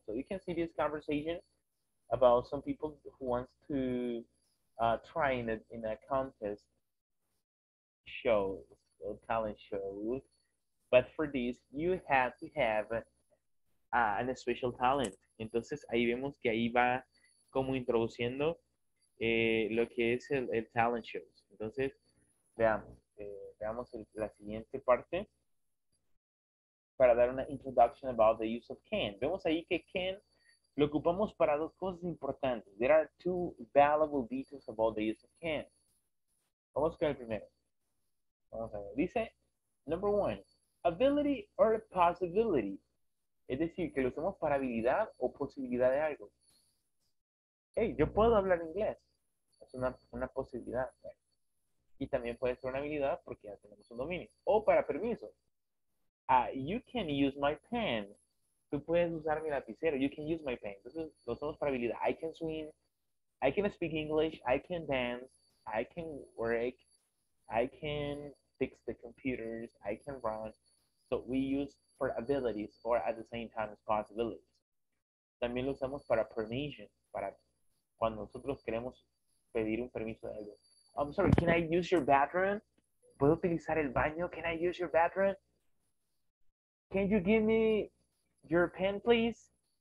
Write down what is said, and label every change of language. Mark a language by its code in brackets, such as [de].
[en] So you can see this conversation about some people who wants to try in a contest show. A talent show, but for this you have to have an special talent. [es] Entonces ahí vemos que ahí va como introduciendo lo que es el talent shows. Entonces veamos la siguiente parte para dar una introduction about the use of can. Vemos ahí que can lo ocupamos para dos cosas importantes. [en] There are two valuable details about the use of can. [es] Vamos con el primero. Dice, number one, ability or possibility. Es decir, que lo usamos para habilidad o posibilidad de algo. Hey, yo puedo hablar inglés. Es una posibilidad. Y también puede ser una habilidad porque ya tenemos un dominio. [en] O para permiso. You can use my pen. Tú puedes usar mi lapicero. You can use my pen. Entonces, lo usamos para habilidad. I can swim. I can speak English. I can dance. I can work. I can fix the computers, I can run. So we use for abilities or at the same time as possibilities. [es] También lo usamos para permission, para cuando nosotros queremos pedir un permiso de algo. [en] I'm sorry, can I use your bathroom? ¿Puedo utilizar el baño? Can I use your bathroom? Can you give me your pen, please?